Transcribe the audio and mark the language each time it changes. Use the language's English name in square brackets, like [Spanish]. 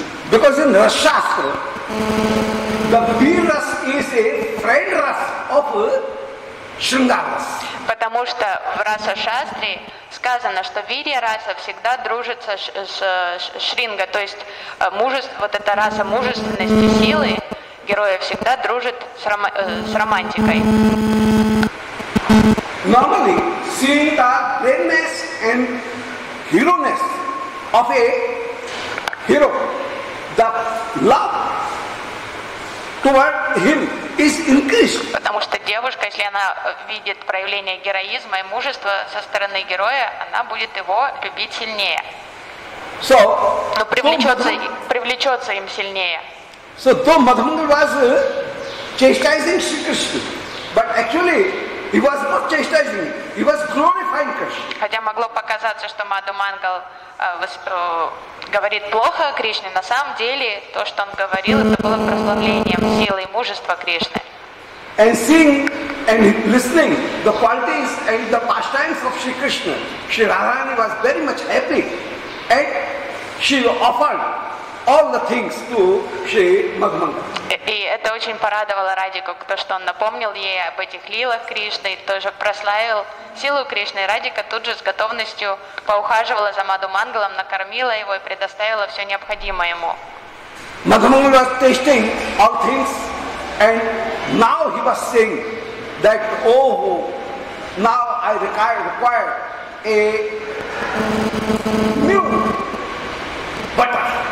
[English] Because in the Shastra, the Viras is a friend ras of Шрингарас. [Russian] Потому что в Раса-шастре сказано, что Вирья-раса всегда дружит с Шринга, то есть мужество, вот эта раса мужественности, силы героя всегда дружит с романтикой. [English] Normally, seeing the greatness and hero-ness of a hero, the love toward him is increased. [Russian] Потому что девушка, если она видит проявление героизма и мужества со стороны героя, она будет его любить сильнее. [English] So, [Russian] но привлечется им сильнее. [English] So, though Madhu Mangal was chastising Sri Krishna, but actually he was not chastising, he was glorifying Krishna. [Russian] Хотя могло показаться, что Madhu Mangal говорит плохо о Кришне, на самом деле то, что он говорил, это было прославлением силы и мужества Кришны. [English] And seeing and listening the qualities and the pastimes of Sri Krishna, Sri Radharani was very much happy, and she offered all the things to Sri Madhu Mangal. [Russian] И это очень порадовало Радику, то, что он напомнил ей об этих лилах Кришны, тоже прославил силу Кришны. Радика тут же с готовностью поухаживала за Мадху Мангалом, накормила его и предоставила все необходимое ему. [English] Мадху Мангал was tasting all things, and now he was saying that, oh, now I require a new butter.